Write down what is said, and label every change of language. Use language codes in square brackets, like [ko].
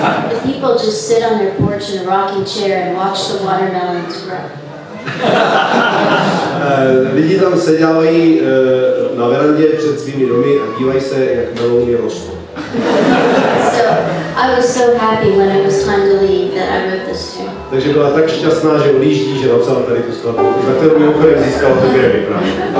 [en] the people just sit on their porch in a rocking chair and watch the watermelons grow. [cs] Lidi tam sedávají na verandě před svými domy a dívají se, jak melouny rostou. [en] So I was so happy when it was time to leave that I wrote this too. [cs] Takže byla tak šťastná, že odjíždí, že napsala tady tu skladbu, za kterou mimochodem získala to Grammy právě.